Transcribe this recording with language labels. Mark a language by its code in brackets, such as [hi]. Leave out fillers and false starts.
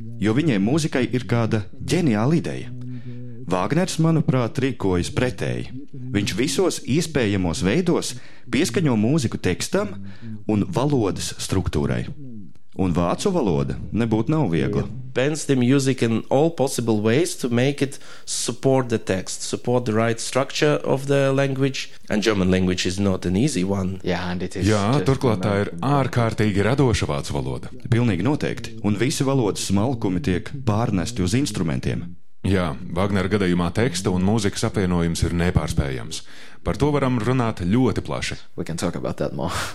[lv] Jo viņiem mūzikai ir kāda ģeniāla ideja. Vāgners, manuprāt, rīkojas pretēji. Viņš visos iespējamos veidos pieskaņo mūziku tekstam un valodas struktūrai. Un vācu valoda nebūtu nav viegla. [en] Bends the music in all possible ways to make it support the text, support the right structure of the language. And German language is not an easy one. Yeah, and it is. [lv] Jā, turklāt tā ir ārkārtīgi radoša vācu valoda. Pilnīgi noteikti. Un visi valodas smalkumi tiek pārnesti uz instrumentiem. Jā, Vāgnera gadījumā teksta un mūzikas apvienojums ir nepārspējams. Par to varam runāt ļoti plaši. [en] We can talk about that more.